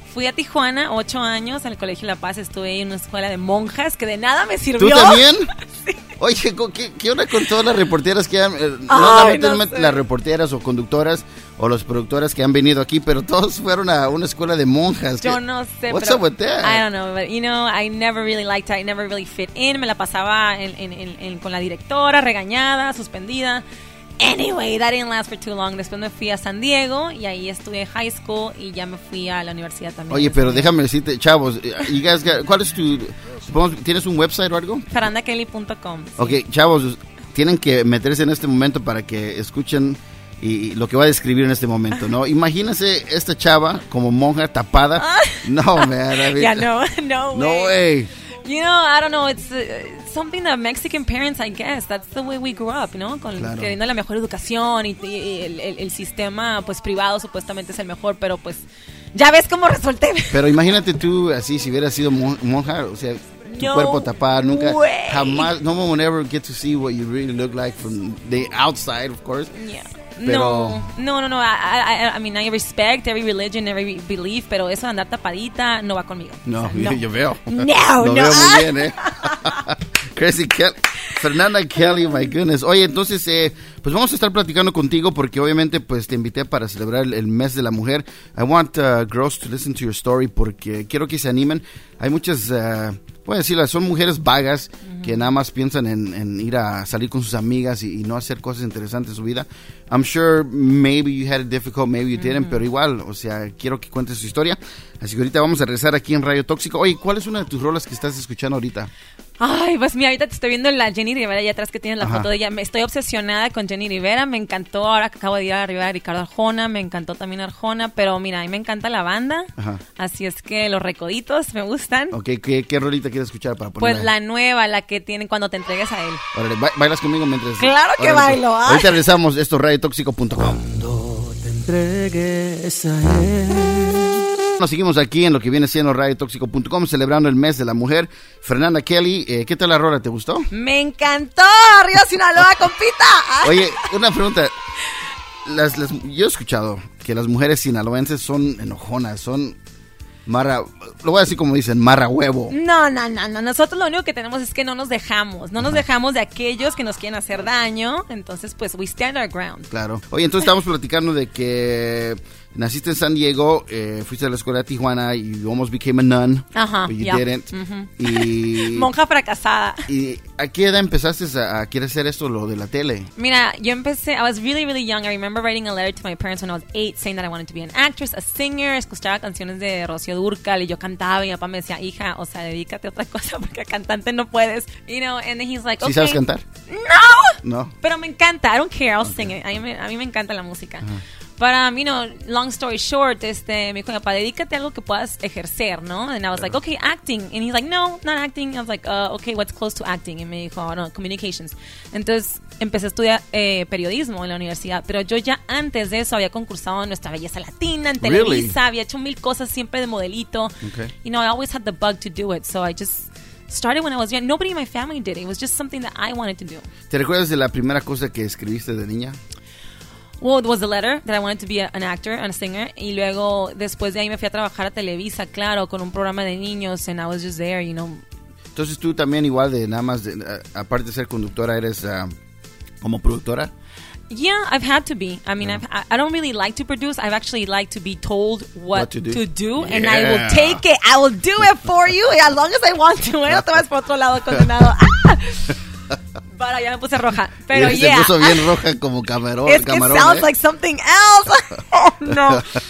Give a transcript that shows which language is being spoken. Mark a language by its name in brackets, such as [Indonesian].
[Spanish] Fui a Tijuana 8 años, al Colegio La Paz. Estuve ahí en una escuela de monjas que de nada me sirvió. ¿Tú también? Sí. Oye, ¿qué onda con todas las reporteras que han... las reporteras o conductoras o los productoras que han venido aquí, pero todos fueron a una escuela de monjas. Yo no sé. [English] What's up with that? I don't know, but you know, I never really liked it. I never really fit in. [Spanish] Me la pasaba con la directora, regañada, suspendida. [English] Anyway, that didn't last for too long. [Spanish] Después me fui a San Diego y ahí estudié high school y ya me fui a la universidad también. Oye, pero déjame decirte, chavos, [English] you guys got, [Spanish] ¿cuál es tu, tienes un website o algo? FernandaKelly.com. Sí. Okay, chavos, tienen que meterse en este momento para que escuchen y lo que va a describir en este momento, ¿no? Imagínense esta chava como monja tapada. [English] No, man. I mean, yeah, no, no way. No way. You know, I don't know, it's something that Mexican parents, I guess, that's the way we grew up, ¿no? [Spanish] Con claro. Queriendo la mejor educación y el sistema, pues, privado supuestamente es el mejor, pero pues, ya ves cómo resulté. Pero imagínate tú, así, si hubieras sido monja, o sea, tu cuerpo tapado, nunca, jamás, [English] no one would ever get to see what you really look like from the outside, of course. [Spanish] Yeah. Pero... No. [English] I mean, I respect every religion, every belief, [Spanish] pero eso de andar tapadita no va conmigo. No, o sea, no. Yo veo. No. Veo muy bien, ¿eh? Crazy Kelly. [English] Fernanda Kelly, my goodness. [Spanish] Oye, entonces, pues vamos a estar platicando contigo porque obviamente pues te invité para celebrar el mes de la mujer. [English] I want girls to listen to your story [Spanish] porque quiero que se animen. Hay muchas, voy a decirlo, son mujeres vagas que nada más piensan en ir a salir con sus amigas y no hacer cosas interesantes en su vida. [English] I'm sure maybe you had it difficult, maybe you didn't, [Spanish] pero igual, o sea, quiero que cuentes su historia. Así que ahorita vamos a regresar aquí en Radio Tóxico. Oye, ¿cuál es una de tus rolas que estás escuchando ahorita? Ay, pues mira, ahorita te estoy viendo la Jenny Rivera allá atrás que tiene la foto de ella. Estoy obsesionada con Jenny Rivera, me encantó ahora que acabo de ir a la Rivera de Ricardo Arjona, me encantó también Arjona, pero mira, a mí me encanta la banda, así es que los Recoditos me gustan. Ok, ¿qué rolita quieres escuchar para ponerla? Pues la nueva, la que tiene cuando te entregues a él. Órale, ¿bailas conmigo mientras? ¡Claro que órale, bailo! ¿Ah? Ahorita regresamos, esto es RadioTóxico.com. Cuando te entregues a él. Nos seguimos aquí en lo que viene siendo RadioTóxico.com, celebrando el mes de la mujer. Fernanda Kelly, ¿qué tal la rola? ¿Te gustó? ¡Me encantó! ¡Arriba Sinaloa, compita! Oye, una pregunta. Yo he escuchado que las mujeres sinaloenses son enojonas, son... lo voy a decir como dicen, marra huevo. No, nosotros lo único que tenemos es que no nos dejamos. No nos dejamos de aquellos que nos quieren hacer daño. Entonces, pues, [English] we stand our ground. [Spanish] Claro. Oye, entonces estamos platicando de que... Naciste en San Diego, fuiste a la escuela de Tijuana, [English] you almost became a nun, but you didn't. [Spanish] Uh-huh. Y, monja fracasada. ¿Y a qué edad empezaste a querer hacer esto, lo de la tele? Mira, yo empecé, [English] I was really, really young. I remember writing a letter to my parents when I was 8, saying that I wanted to be an actress, a singer. [Spanish] Escuchaba canciones de Rocío Dúrcal y yo cantaba y mi papá me decía, hija, o sea, dedícate a otra cosa porque cantante no puedes. [English] You know, and then he's like, okay. [Spanish] ¿Sí sabes cantar? ¡No! No. Pero me encanta, [English] I don't care, I'll sing it. [Spanish] A mí me encanta la música. Uh-huh. Pero, [English] you know, long story short, [Spanish] me dijo, papá, dedícate a algo que puedas ejercer, ¿no? [English] And I was like, okay, acting. And he's like, no, not acting. I was like, okay, what's close to acting? [Spanish] Y me dijo, [English] oh, no, communications. [Spanish] Entonces, empecé a estudiar periodismo en la universidad. Pero yo ya antes de eso había concursado en Nuestra Belleza Latina, en Televisa. [English] Really? [Spanish] Había hecho mil cosas siempre de modelito. [English] Okay. You know, I always had the bug to do it. So I just started when I was young. Nobody in my family did it. It was just something that I wanted to do. [Spanish] ¿Te recuerdas de la primera cosa que escribiste de niña? [English] Well, it was a letter that I wanted to be an actor and a singer. [Spanish] Y luego, después de ahí, me fui a trabajar a Televisa, claro, con un programa de niños, [English] and I was just there, you know. [Spanish] Entonces, tú también igual de nada más, de, aparte de ser conductora, eres como productora? [English] Yeah, I've had to be. I mean, yeah. I don't really like to produce. I've actually liked to be told what to do. And I will take it. I will do it for you as long as I want to. [Spanish] No te vas por otro lado condenado. Para, ya me puse roja. Pero ya. Se puso bien roja como camarón. [English] It sounds like something else. No.